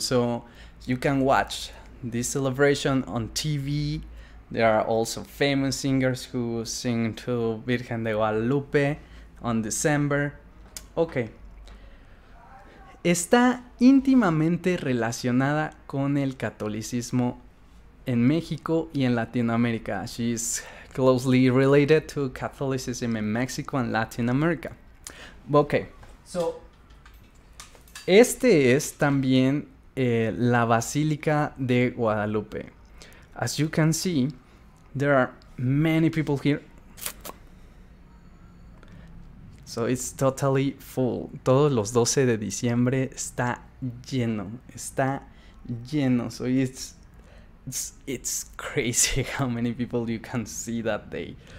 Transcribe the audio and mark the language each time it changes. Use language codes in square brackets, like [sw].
[en] So you can watch this celebration on TV. There are also famous singers who sing to Virgen de Guadalupe on December. Ok. [es] Está íntimamente relacionada con el catolicismo en México y en Latinoamérica. [en] She is closely related to Catholicism in Mexico and Latin America. Ok. [es] So, este es también la Basílica de Guadalupe. [en] As you can see, there are many people here. So it's totally full. [es] Todos los 12 de diciembre está lleno. Está lleno. [en] So it's crazy how many people you can see that day.